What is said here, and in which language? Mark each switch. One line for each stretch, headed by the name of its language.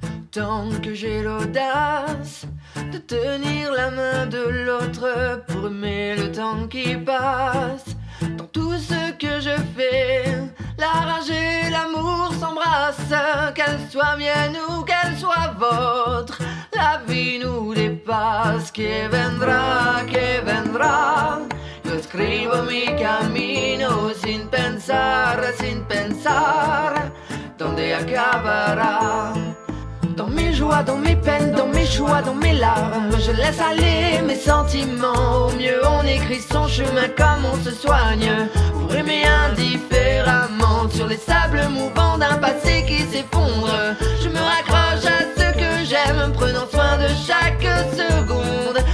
French: tant que j'ai l'audace de tenir la main de l'autre pour aimer le temps qui passe. Dans tout ce que je fais, la rage et l'amour s'embrassent, qu'elle soit mienne ou qu'elle soit vôtre, la vie nous dépasse.
Spanish: Que vendrá, yo escribo mi camino sin pensar, donde acabará.
French: Dans mes joies, dans mes peines, dans mes choix, dans mes larmes, je laisse aller mes sentiments. Au mieux on écrit son chemin comme on se soigne, pour aimer indifféremment. Sur les sables mouvants d'un passé qui s'effondre, je me raccroche à ce que j'aime, prenant soin de chaque seconde.